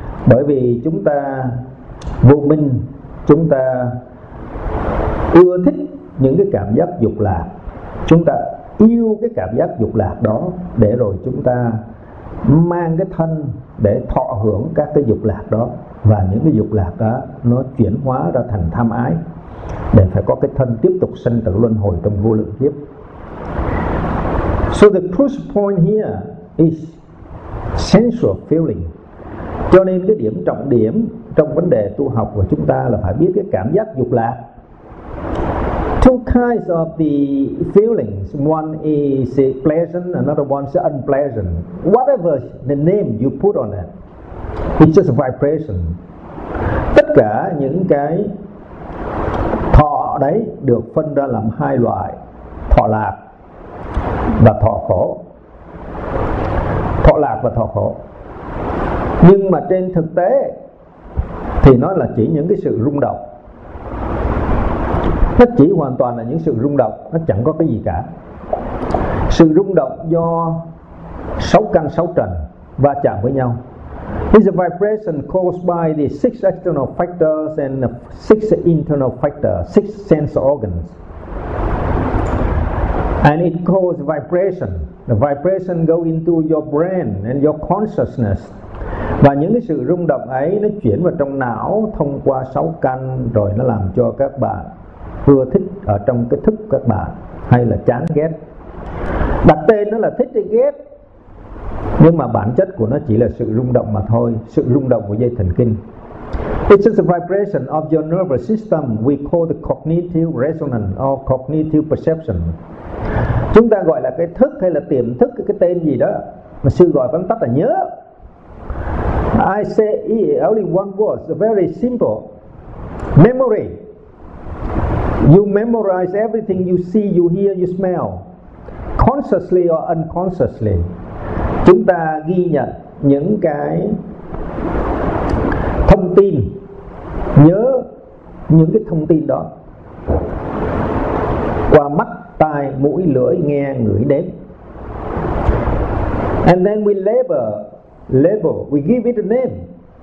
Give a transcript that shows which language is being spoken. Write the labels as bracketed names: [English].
[Vietnamese] Bởi vì chúng ta vô minh, chúng ta ưa thích những cái cảm giác dục lạc, chúng ta yêu cái cảm giác dục lạc đó, để rồi chúng ta mang cái thân để thọ hưởng các cái dục lạc đó. Và những cái dục lạc đó nó chuyển hóa ra thành tham ái, để phải có cái thân tiếp tục sinh tử luân hồi trong vô lượng kiếp. [English] So the crucial point here is sensual feeling. [Vietnamese] Cho nên cái điểm trọng điểm trong vấn đề tu học của chúng ta là phải biết cái cảm giác dục lạc. [English] Two kinds of the feelings. One is pleasant, another one is unpleasant. Whatever the name you put on it, it's just a vibration. [Vietnamese] Tất cả những cái thọ đấy được phân ra làm hai loại: thọ lạc và thọ khổ. Thọ lạc và thọ khổ. Nhưng mà trên thực tế thì nó là chỉ những cái sự rung động. Nó chỉ hoàn toàn là những sự rung động, nó chẳng có cái gì cả. Sự rung động do sáu căn sáu trần va chạm với nhau. [English] It's a vibration caused by the six external factors and the six internal factors, six sense organs. And it causes vibration. The vibration go into your brain and your consciousness. [Vietnamese] Và những cái sự rung động ấy nó chuyển vào trong não thông qua sáu căn, rồi nó làm cho các bạn vừa thích ở trong cái thức các bạn hay là chán ghét. Đặt tên nó là thích hay ghét, nhưng mà bản chất của nó chỉ là sự rung động mà thôi, sự rung động của dây thần kinh. [English] It's just a vibration of your nervous system. We call the cognitive resonance or cognitive perception. [Vietnamese] Chúng ta gọi là cái thức hay là tiềm thức, cái tên gì đó mà sư gọi vắn tắt là nhớ. [English] I say only one word, very simple: memory. You memorize everything you see, you hear, you smell, consciously or unconsciously. [Vietnamese] Chúng ta ghi nhận những cái thông tin, nhớ những cái thông tin đó qua mắt, tai, mũi, lưỡi, nghe, ngửi, đếm. [English] And then we label, we give it a name.